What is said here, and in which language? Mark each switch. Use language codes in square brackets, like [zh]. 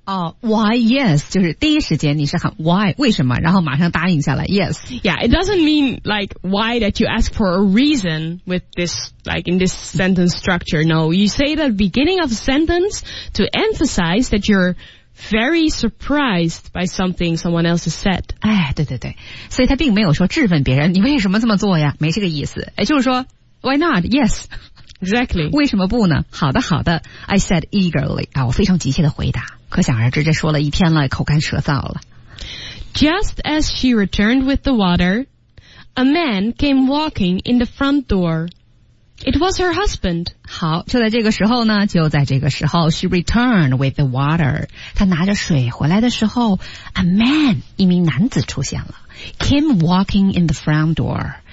[en] Why, yes, [zh] 就是第一时间你是很 why, 为什么，然后马上答应下来 yes. [en] Yeah, it doesn't mean like why that you ask for a reason with this, like in this sentence structure. No, you say that beginning of a sentence to emphasize that you're very surprised by something someone else has said. [zh] 哎，对对对，所以他并没有说质问别人你为什么这么做呀，没这个意思。哎，就是说 [en] why not, yes. Exactly. [zh] 为什么不呢？好的，好的。 [en] I said eagerly. [zh] 啊，我非常急切地回答。可想而知，这说了一天了，口干舌燥了。 [en] Just as she returned with the water, a man came walking in the front door. It was her husband. [zh] 好，就在这个时候呢，就在这个时候 ， [en] she returned with the water. [zh] 她拿着水回来的时候 ，a man 一名男子出现了 ， [en] came walking in the front door.